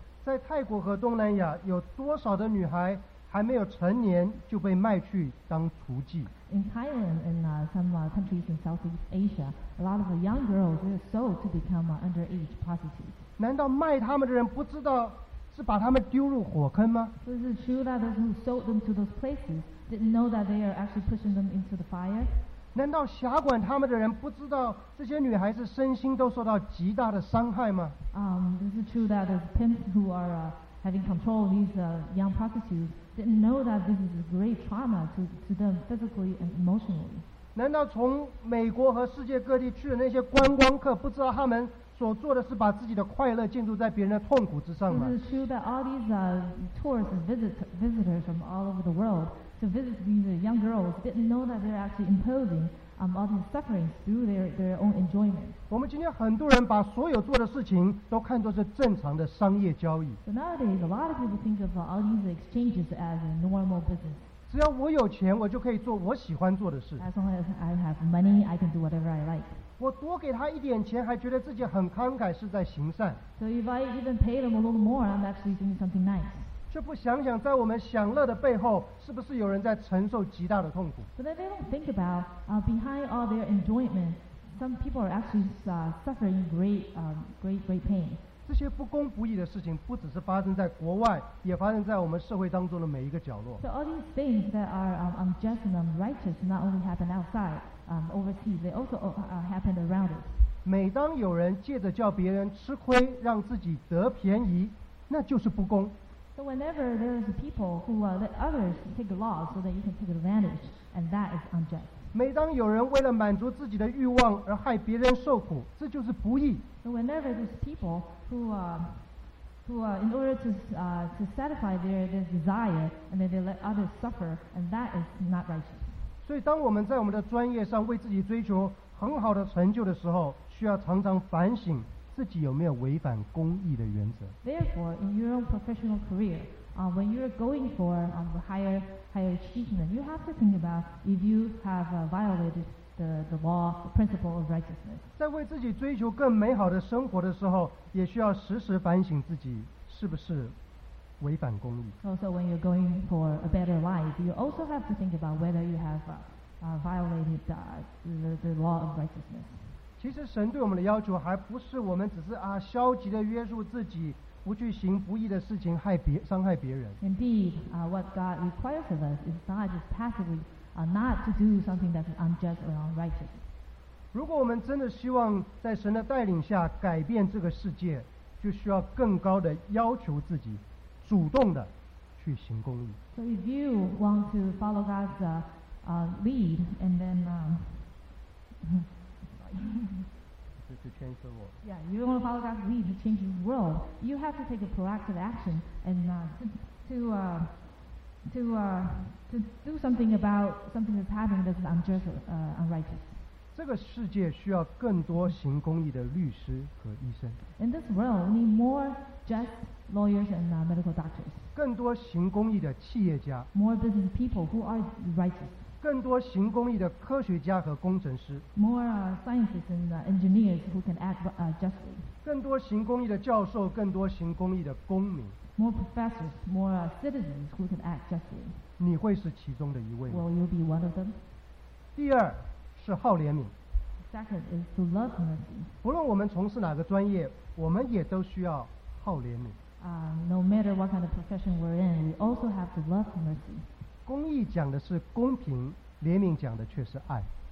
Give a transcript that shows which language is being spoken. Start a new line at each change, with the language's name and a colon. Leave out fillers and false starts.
Chinese: 在泰国和东南亚，有多少的女孩还没有成年就被卖去当雏妓？
English: In Thailand and some countries in Southeast Asia, a lot of the young girls are sold to become underage prostitutes.
Chinese: 难道卖他们的人不知道是把他们丢入火坑吗？
English: So is it true that those who sold them to those places didn't know that they are actually pushing them into the fire?
Chinese: 难道辖管他们的人不知道这些女孩子身心都受到极大的伤害吗？
English: Is it true that those pimps who are having control of these young prostitutes didn't know that this is a great trauma to them physically and emotionally?
Chinese: 难道从美国和世界各地去的那些观光客不知道他们所做的是把自己的快乐建筑在别人的痛苦之上吗？
English: Is it true that all these tourists and visitors from all over the world to visit these young girls didn't know that they're actually imposing all these sufferings through their own enjoyment?
Chinese: 我们今天很多人把所有做的事情都看作是正常的商业交易。
English: So nowadays, a lot of people think of all these exchanges as a normal business.
Chinese: 只要我有钱，我就可以做我喜欢做的事。
English: As long as I have money, I can do whatever I like.
Chinese: 我多给他一点钱，还觉得自己很慷慨，是在行善。
English: So if I even pay them a little more, I'm actually doing something nice.
Chinese: 却不想想，在我们享乐的背后，是不是有人在承受极大的痛苦
English: ？But they don't think about behind all their enjoyment, some people are actually suffering great pain.
Chinese: 这些不公不义的事情，不只是发生在国外，也发生在我们社会当中的每一个角落。
English: So all these things that are unjust and unrighteous not only happen outside. Overseas, they also happened around us.
Chinese: 每当有人借着叫别人吃亏，让自己得便宜，那就是不公。
English: So whenever there is people who let others take the loss so that you can take advantage, and that is unjust.
Chinese: 每当有人为了满足自己的欲望而害别人受苦，这就是不义。
English: So whenever there's people who in order to satisfy their desire, and then they let others suffer, and that is not righteous.
Chinese: 所以当我们在我们的专业上为自己追求很好的成就的时候，需要常常反省自己有没有违反公义的原则。
English: Therefore, in your own professional career, when you're going for higher achievement, you have to think about if you have violated the law, the principle of righteousness.
Chinese: 在为自己追求更美好的生活的时候，也需要时时反省自己是不是违反公义。
English: Also, when you're going for a better life, you also have to think about whether you have violated the law of righteousness.
Chinese: 其实神对我们的要求还不是我们只是消极的约束自己，不去行不义的事情，伤害别人。
English: Indeed, what God requires of us is not just passively, not to do something that's unjust or unrighteous.
Chinese: 如果我们真的希望在神的带领下改变这个世界，就需要更高的要求自己。主动的去行公义。
English: So if you want to follow God's lead, and then to change the world. Yeah, you want to follow God's lead to change the world. You have to take a proactive action and to do something about something that's happening that's unjust, unrighteous.
Chinese: 这个世界需要更多行公义的律师和医生。
English: In this world, we need more just. Lawyers and medical doctors.
Chinese: 更多行公益的企业家。
English: More business people who are righteous.
Chinese: 更多行公益的科学家和工程师。
English: More scientists and engineers who can act justly.
Chinese: 更多行公益的教授，更多行公益的公民。
English: More professors, more citizens who can act justly.
Chinese: 你会是其中的一位吗？
English: Will you be one of them?
Chinese: 第二是好怜悯。
English: Second is to love mercy.
Chinese: 不论我们从事哪个专业，我们也都需要好怜悯。
English: No matter what kind of profession we're in, we also have to love mercy.
Chinese: 公义讲的是公平，怜悯讲的却是爱。